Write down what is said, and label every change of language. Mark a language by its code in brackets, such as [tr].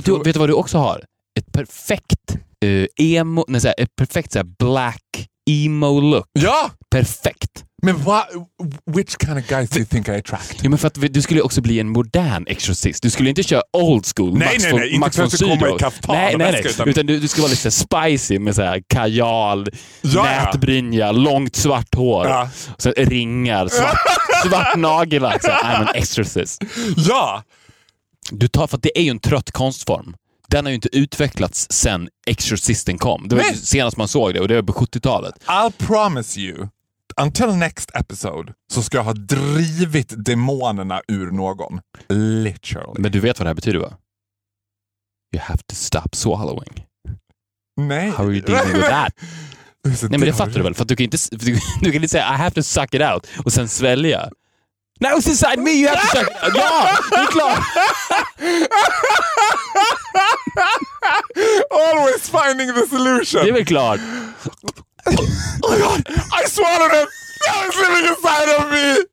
[sv] du, vet du vad du också har? Ett perfekt emo, nej, såhär, ett perfekt såhär, [en] black emo look. [sv] Ja. Perfekt. [en] Men which kind of guys do you think I attract? [sv] Ja, men för att du skulle också bli en modern exorcist. Du skulle inte köra old school. Nej, Max nej, nej, Max inte för att komma i kaftan. Utan du skulle vara lite spicy med såhär kajal, ja, nätbrynja, ja, långt svart hår. Ja. Och sen ringar, svart nagel. Alltså. [en] I'm an exorcist. [sv] Ja! Du tar, för att det är ju en trött konstform. Den har ju inte utvecklats sen exorcisten kom. Det var ju senast man såg det, och det var på 70-talet. [en] I'll promise you, until next episode, [sv] så ska jag ha drivit demonerna ur någon. [en] Literally. [sv] Men du vet vad det här betyder, va? [en] You have to stop swallowing. [sv] Nej. [en] How are you dealing with that? [sv] Nej, men det fattar du väl? För att du kan inte säga [en] I have to suck it out [sv] och sen svälja. [en] Now it's inside me, you have to check. [sv] Ja, du är klar. [en] Always finding the solution. [sv] Du är klar. [en] Oh god, I swallowed it. Now it's living inside of me.